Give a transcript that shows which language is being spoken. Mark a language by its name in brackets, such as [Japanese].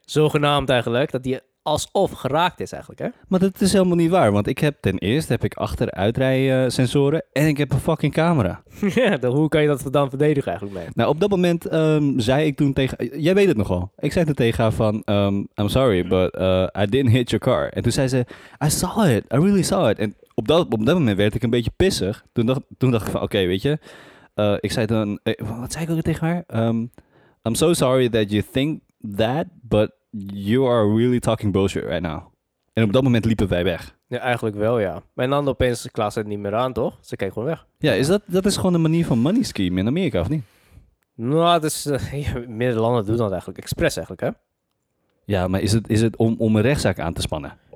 [Dutch] Zogenaamd eigenlijk dat die... alsof geraakt is eigenlijk, hè? Maar dat is helemaal niet waar, want ik heb ten eerste heb ik achteruitrijsensoren en ik heb een fucking camera. Ja, dan hoe kan je dat dan verdedigen eigenlijk mee? Nou, op dat moment zei ik toen tegen... Jij weet het nogal. Ik zei toen tegen haar van... [English] I'm sorry, but I didn't hit your car. [Dutch] En toen zei ze... [English] I saw it. I really saw it. [Dutch] En op dat moment werd ik een beetje pissig. Toen dacht ik van, oké, weet je... ik zei toen... wat zei ik ook tegen haar? [English] I'm so sorry that you think that, but... You are really talking bullshit right now. [Dutch] En op dat moment liepen wij weg. Ja, eigenlijk wel, ja. Mijn handen opeens klaas het niet meer aan, toch? Ze keek gewoon weg. Ja, dat is gewoon een manier van money scheme in Amerika, of niet? Nou, het is... meer landen doen dat eigenlijk. Express eigenlijk, hè? Ja, maar is het om een rechtszaak aan te spannen?